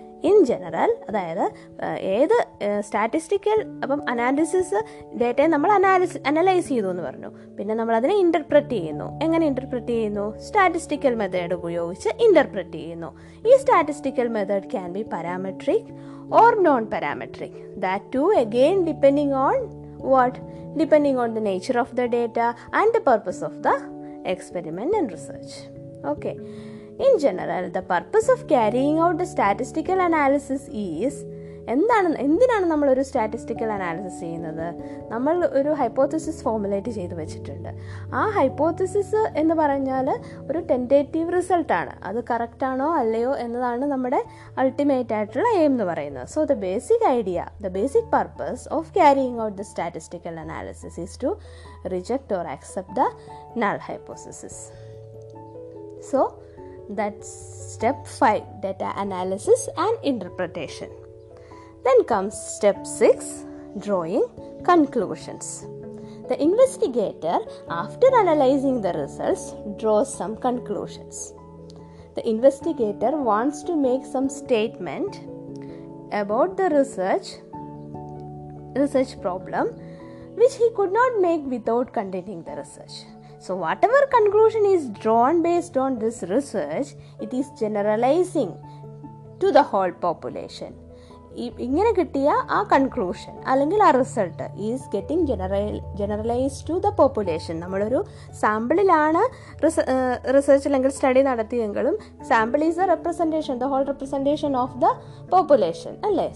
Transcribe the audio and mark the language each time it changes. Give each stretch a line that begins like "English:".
English: In general,
Malayalam: അതായത് ഏത് statistical അപ്പം അനാലിസിസ് ഡേറ്റയെ നമ്മൾ അനലൈസ് ചെയ്തു എന്ന് പറഞ്ഞു. പിന്നെ നമ്മൾ അതിനെ ഇൻ്റർപ്രറ്റ് ചെയ്യുന്നു. എങ്ങനെ ഇൻ്റർപ്രറ്റ് ചെയ്യുന്നു? സ്റ്റാറ്റിസ്റ്റിക്കൽ മെത്തേഡ് ഉപയോഗിച്ച് ഇൻ്റർപ്രറ്റ് ചെയ്യുന്നു.
English: ഈ statistical method can be parametric or non parametric. That to again depending on what? Depending on the nature of the data and the purpose of the experiment and research. Okay. In general, the purpose of carrying out the statistical analysis is
Malayalam: എന്തിനാണ് നമ്മളൊരു statistical analysis ചെയ്യുന്നത്? നമ്മൾ ഒരു hypothesis formulate ചെയ്ത് വെച്ചിട്ടുണ്ട്. ആ hypothesis എന്ന് പറഞ്ഞാൽ ഒരു ടെൻറ്റേറ്റീവ് റിസൾട്ടാണ്. അത് കറക്റ്റാണോ അല്ലയോ എന്നതാണ് നമ്മുടെ അൾട്ടിമേറ്റ് ആയിട്ടുള്ള എയിം എന്ന് പറയുന്നത്.
English: So the basic purpose of carrying out the statistical analysis is to reject or accept the null hypothesis. So that's step 5, data analysis and interpretation. Then comes step 6, drawing conclusions. The investigator, after analyzing the results, draws some conclusions. The investigator wants to make some statement about the research problem, which he could not make without conducting the research. So whatever conclusion is drawn based on this research, it is generalizing to the whole population.
Malayalam: ഇങ്ങനെ കിട്ടിയ ആ conclusion അല്ലെങ്കിൽ ആ result
English: Is getting generalised to the population.
Malayalam: നമ്മളൊരു സാമ്പിളിലാണ് research അല്ലെങ്കിൽ study നടത്തിയെങ്കിലും
English: Sample is the representation, the whole representation of the population അല്ലേ.